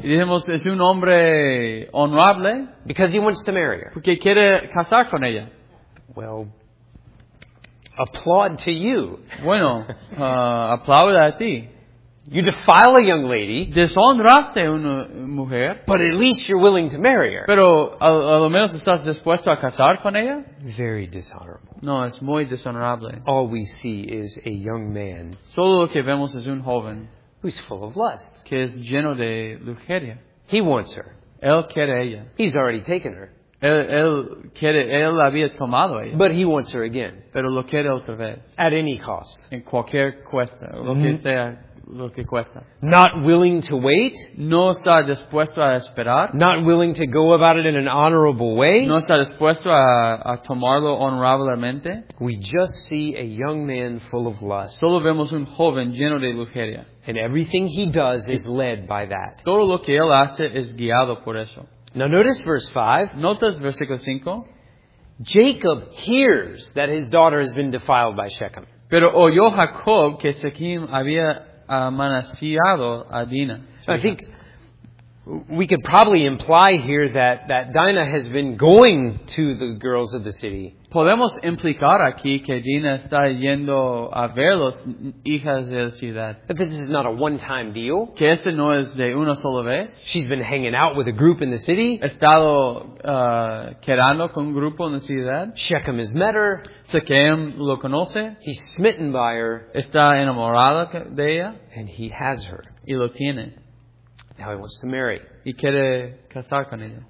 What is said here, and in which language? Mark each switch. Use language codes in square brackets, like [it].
[es] Y dijimos, es un hombre honorable. [en] Because he wants to marry her. [es] Porque quiere casar con ella. [en] Well, applaud to you. [es] Bueno, aplauda a ti. [en] You defile a young lady. [es] Deshonraste una mujer. [en] But at least you're willing to marry her. [es] Pero a lo menos estás dispuesto a casar con ella. [en] Very dishonorable. [es] No, es muy deshonorable. [en] All we see is a young man. [es] Solo lo que vemos es un joven. [en] Who's full of lust. [es] Que es lleno de lujuria. [en] He wants her. [es] Él quiere ella. [en] He's already taken her. [es] Él la había tomado ella. [en] But he wants her again. [es] Pero lo quiere otra vez. [en] At any cost. [es] En cualquier cuesta. Lo que sea, lo que cuesta. [en] Not willing to wait. [es] No está dispuesto a esperar. [en] Not willing to go about it in an honorable way. [es] No está dispuesto a tomarlo honorablemente. [en] We just see a young man full of lust. [es] Solo vemos un joven lleno de lujuria. [en] And everything he does is led by that. [es] Todo lo que él hace es guiado por eso. [en] Now notice verse 5. [es] Notas versículo 5. [en] Jacob hears that his daughter has been defiled by Shechem. [es] Pero oyó Jacob que Shechem había amanaciado a Dinah. [en] I think we could probably imply here that Dinah has been going to the girls of the city. [es] Podemos implicar aquí que Dinah está yendo a ver las hijas de la ciudad. [en] But this is not a one-time deal. [es] Que ese no es de una sola vez. [en] She's been hanging out with a group in the city. [es] Ha estado quedando con un grupo en la ciudad. [en] Shechem has met her. [es] Shechem lo conoce. [en] He's smitten by her. [es] Está enamorado de ella. [en] And he has her. [es] Y lo tiene. [en] Now he wants to marry. [es] Y quiere casar con ella.